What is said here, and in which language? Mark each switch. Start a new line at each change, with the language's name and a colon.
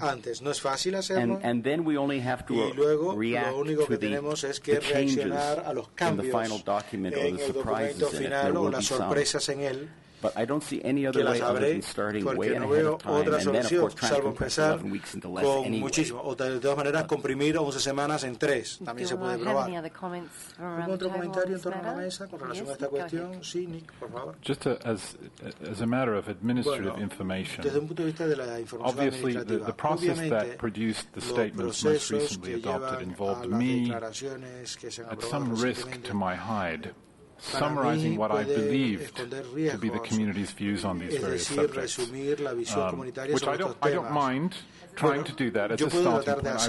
English: and then we only have to react to the changes in the final document or the surprises in it. There will be some. But I don't see any other way other than starting way ahead of time, and then, of course, trying to compress 11 weeks into less anyway.
Spanish: De todas maneras, comprimir 11 semanas en 3 también se puede probar. ¿Otro comentario en torno a la mesa con relación a esta cuestión? Sí, Nick, por favor.
English: Just as a matter of administrative information,
Spanish: desde un punto de vista de la información
English: obviously the process that produced the statements most recently adopted involved me at some risk to my hide. Summarizing what I believe to be the community's views on these various subjects, which I don't mind trying to do that as a starting point.